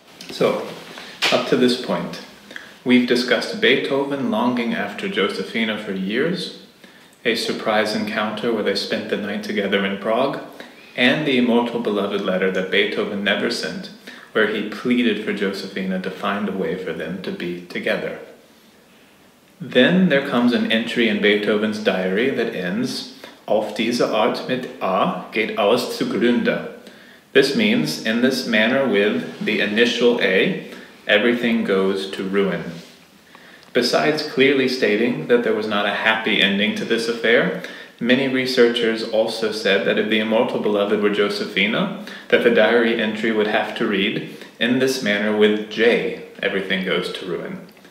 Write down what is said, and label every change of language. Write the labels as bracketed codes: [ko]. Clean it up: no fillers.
[en] So, up to this point, we've discussed Beethoven longing after Josefina for years, a surprise encounter where they spent the night together in Prague, and the immortal beloved letter that Beethoven never sent, where he pleaded for Josephina to find a way for them to be together. Then there comes an entry in Beethoven's diary that ends, [de] Auf diese Art mit A geht alles zugrunde. [en] This means, in this manner with the initial A, everything goes to ruin. Besides clearly stating that there was not a happy ending to this affair, many researchers also said that if the immortal beloved were Josephina, that the diary entry would have to read, in this manner with J, everything goes to ruin.